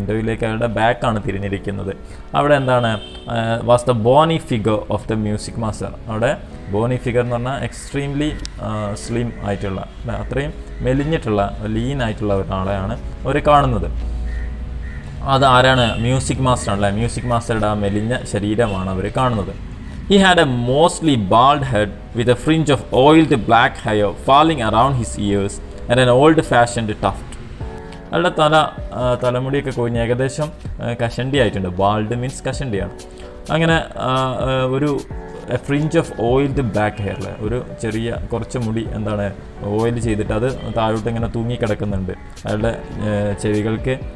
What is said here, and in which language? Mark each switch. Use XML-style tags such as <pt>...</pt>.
<ml>വിൻഡോയിലേക്ക് അയാളുടെ ബാക്കാണ് തിരിഞ്ഞിരിക്കുന്നത്. അവിടെ എന്താണ്,</ml> <en>Was the bony figure of the music master.</en> <ml>അവിടെ ബോണി ഫിഗർ എന്ന് പറഞ്ഞാൽ എക്സ്ട്രീംലി സ്ലിം ആയിട്ടുള്ള, അത്രയും മെലിഞ്ഞിട്ടുള്ള, ലീൻ ആയിട്ടുള്ള ഒരാളെയാണ് അവർ കാണുന്നത്. അത് ആരാണ്, മ്യൂസിക് മാസ്റ്റർ ആണല്ലേ. മ്യൂസിക് മാസ്റ്ററുടെ ആ മെലിഞ്ഞ ശരീരമാണ് അവർ കാണുന്നത്.</ml> <en>He had a mostly bald head with a fringe of oiled black hair falling around his ears and an old-fashioned tuft.</en> <ml>അയാളുടെ തല തലമുടിയൊക്കെ കൊഴിഞ്ഞ് ഏകദേശം കഷണ്ടി ആയിട്ടുണ്ട്. Bald means കഷണ്ടിയാണ്. അങ്ങനെ ഒരു</ml> <en>fringe of oiled back hair,</en> <ml>ഒരു ചെറിയ കുറച്ച് മുടി എന്താണ് ഓയിൽ ചെയ്തിട്ട് അത് താഴോട്ട് ഇങ്ങനെ തൂങ്ങിക്കിടക്കുന്നുണ്ട് അയാളുടെ ചെവികൾക്ക്.</ml>